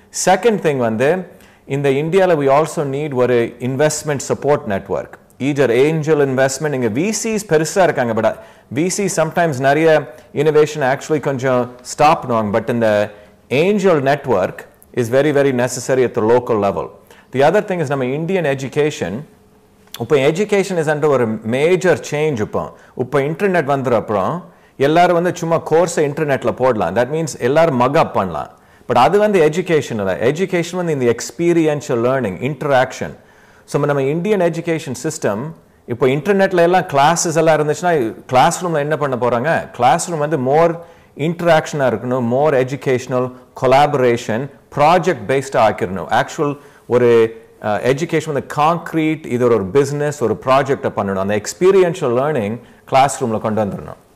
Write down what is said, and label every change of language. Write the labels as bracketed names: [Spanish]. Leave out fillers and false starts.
[English] Second thing வந்து, இந்த இந்தியாவில் வி ஆல்சோ நீட் ஒரு investment support network, eager angel investment. இங்கே விசிஸ் பெருசாக இருக்காங்க, பட் விசி சம்டைம்ஸ் நிறைய இனோவேஷனை ஆக்சுவலி கொஞ்சம் ஸ்டாப் பண்ணுவாங்க, பட் இந்த angel network is very, very necessary at the local level. The other thing is, our Indian education, now education is under a major change. Now the internet is coming, everyone is going to put a course on the internet. That means everyone is going to mug up. But that is education. Education is in the experiential learning, interaction. So our Indian education system, now the internet is going to be classes, what are you going to do in the classroom? The classroom is more interaction, more educational, collaboration, [Tamil] project பேஸ்டாக ஆக்கிடணும். Actual ஒரு education வந்து concrete, இது ஒரு business, ஒரு ப்ராஜெக்டை பண்ணணும். அந்த experiential learning class ரூமில் கொண்டு வந்துடணும்.